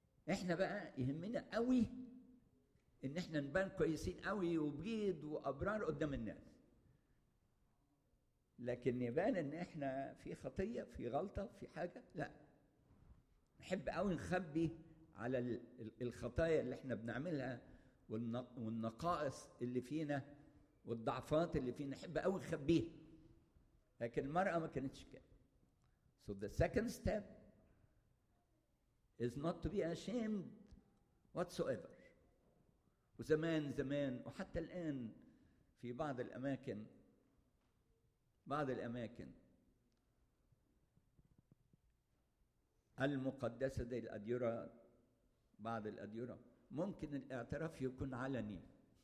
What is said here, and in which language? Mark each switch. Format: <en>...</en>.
<ar>احنا بقى يهمنا قوي ان احنا نبان كويسين قوي وبيض وابرار قدام الناس، لكن يبان ان احنا في خطيه في غلطه في حاجه، لا نحب قوي نخبي على الخطايا اللي احنا بنعملها والنقائص اللي فينا والضعفات اللي فينا، نحب قوي نخبيها. لكن المراه ما كانتش كده.</ar> <en>So the second step is not to be ashamed whatsoever.</en> <ar>وزمان زمان وحتى الآن في بعض الأماكن، بعض الأماكن المقدسة دي الأديرة، بعض الأديرة ممكن الاعتراف يكون علني.</ar>